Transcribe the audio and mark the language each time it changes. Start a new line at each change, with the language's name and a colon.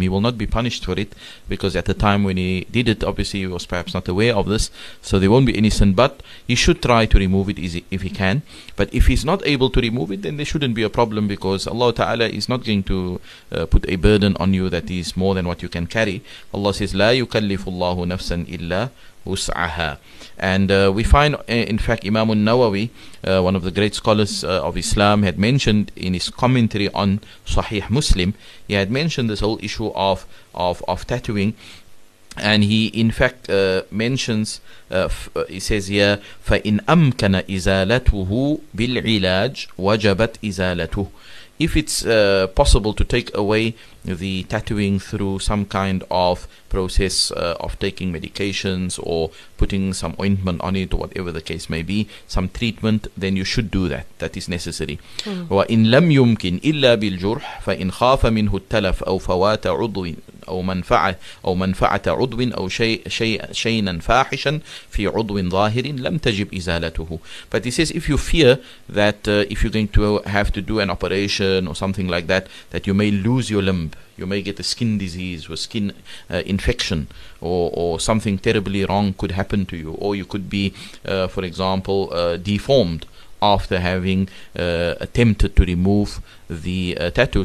English: He will not be punished for it, because at the time when he did it, obviously, he was perhaps not aware of this. So there won't be any sin, but he should try to remove it if he can. But if he's not able to remove it, then there shouldn't be a problem, because Allah Ta'ala is not going to put a burden on you that is more than what you can carry. Allah says,
Arabic: لَا يُكَلِّفُ اللَّهُ نَفْسًا إِلَّا وُسْعَهَا.
English: And we find, in fact, Imam al-Nawawi, one of the great scholars of Islam, had mentioned in his commentary on Sahih Muslim, he had mentioned this whole issue of tattooing. And he, in fact, mentions, he says here,
Arabic: فَإِنْ أَمْكَنَ إِزَالَتُهُ بِالْعِلَاجِ وَجَبَتْ إِزَالَتُهُ.
English: If it's possible to take away the tattooing through some kind of process of taking medications or putting some ointment on it, or whatever the case may be, some treatment, then you should do that. That is necessary.
Arabic: وَإِنْ لَمْ يُمْكِنْ إِلَّا بِالْجُرْحِ فَإِنْ خَافَ مِنْهُ التَّلَفْ أَوْ فَوَاتَ عُضْوٍ أو منفعة عضو أو شيئا فاحشا في عضو ظاهر لم تجب إزالته.
English: But he says, if you fear that if you're going to have to do an operation or something like that, that you may lose your limb, you may get a skin disease or skin infection, or something terribly wrong could happen to you, or you could be, for example, deformed after having attempted to remove the tattoo.